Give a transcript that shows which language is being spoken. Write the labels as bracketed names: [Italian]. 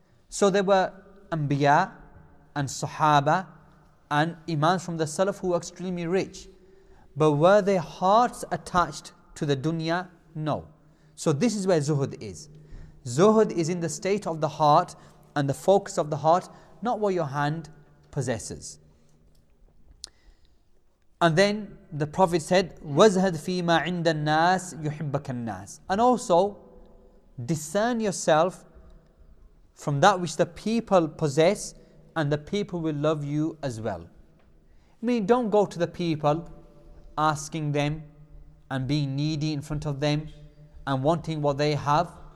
[English] So there were Anbiya and Sahaba and Imams from the Salaf who were extremely rich. But were their hearts attached to the dunya? No. So this is where zuhud is. Zuhud is in the state of the heart and the focus of the heart, not what your hand possesses. And then the Prophet said, [Arabic] وَزْهَدْ فِي مَا عِنْدَ النَّاسِ يُحِبَّكَ النَّاسِ. [English] And also, discern yourself from that which the people possess and the people will love you as well. I mean, don't go to the people asking them and being needy in front of them and wanting what they have.